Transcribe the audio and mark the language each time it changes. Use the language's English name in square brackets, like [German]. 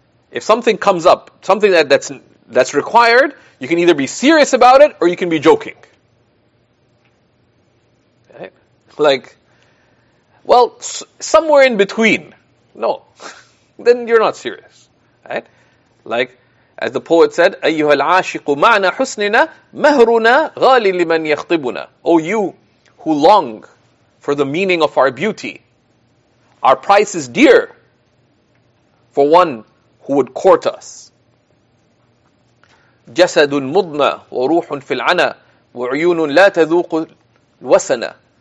[English] If something comes up, something that's required, you can either be serious about it or you can be joking. Like, well, somewhere in between. No, then you're not serious, right? Like, as the poet said, [Arabic] أَيُّهَا الْعَاشِقُ مَعْنَا حُسْنِنَا مَهْرُنَا غَالِ لِمَنْ يَخْطِبُنَا. [English] O you who long for the meaning of our beauty, our price is dear for one who would court us. [Arabic] جَسَدٌ مُضْنَى وَرُوحٌ فِي الْعَنَى وَعْيُونٌ لَا تَذُوقُ الْوَسَنَى.